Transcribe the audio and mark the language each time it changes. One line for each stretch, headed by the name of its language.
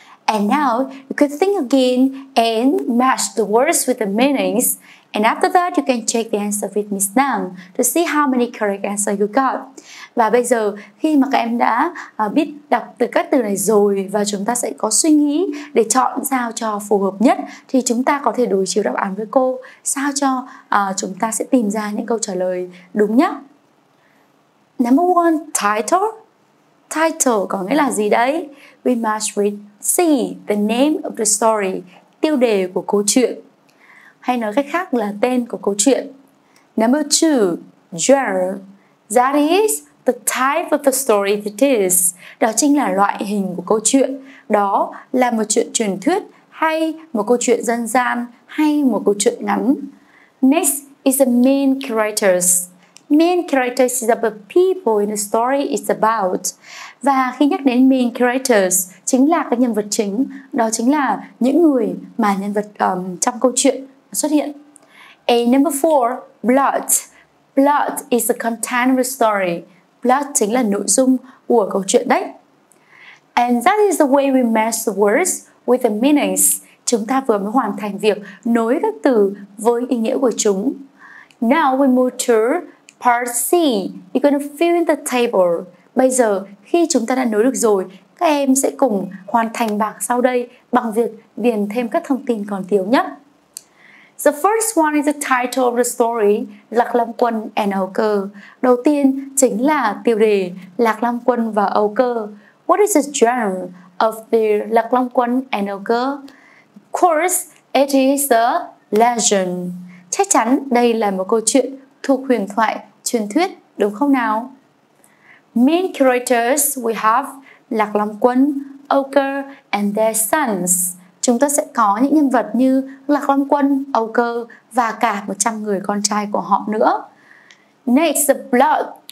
English: And now, you can think again and match the words with the meanings. And after that, you can check the answer with Miss Nam to see how many correct answers you got.
Vietnamese: Và bây giờ, khi mà các em đã biết đọc từ các từ này rồi và chúng ta sẽ có suy nghĩ để chọn sao cho phù hợp nhất, thì chúng ta có thể đối chiếu đáp án với cô sao cho chúng ta sẽ tìm ra những câu trả lời đúng nhất.
English: Number one, title.
Vietnamese: Title có nghĩa là gì đấy?
English: We must read C, the name of the story,
Vietnamese: tiêu đề của câu chuyện. Hay nói cách khác là tên của câu chuyện.
English: Number 2, genre. That is the type of the story it is.
Vietnamese: Đó chính là loại hình của câu chuyện. Đó là một chuyện truyền thuyết hay một câu chuyện dân gian hay một câu chuyện ngắn.
English: Next is the main characters. Main characters is about people in the story it's about.
Vietnamese: Và khi nhắc đến main characters, chính là cái nhân vật chính. Đó chính là những người mà nhân vật trong câu chuyện xuất hiện.
English: A number 4, blood. Blood is the content of the story.
Vietnamese: Blood chính là nội dung của câu chuyện đấy.
English: And that is the way we match the words with the meanings.
Vietnamese: Chúng ta vừa mới hoàn thành việc nối các từ với ý nghĩa của chúng.
English: Now we move to part C. You're going to fill in the table.
Vietnamese: Bây giờ khi chúng ta đã nối được rồi, các em sẽ cùng hoàn thành bảng sau đây bằng việc điền thêm các thông tin còn thiếu nhé.
English: The first one is the title of the story, Lạc Long Quân and Ochre.
Vietnamese: Đầu tiên chính là tiêu đề Lạc Long Quân và Ochre.
English: What is the genre of the Lạc Long Quân and Ochre? Of course, it is a legend.
Vietnamese: Chắc chắn đây là một câu chuyện thuộc huyền thoại, truyền thuyết, đúng không nào?
English: Main characters we have Lạc Long Quân, Ochre and their sons.
Vietnamese: Chúng ta sẽ có những nhân vật như Lạc Long Quân, Ochre và cả 100 người con trai của họ nữa.
English: Next, the plot.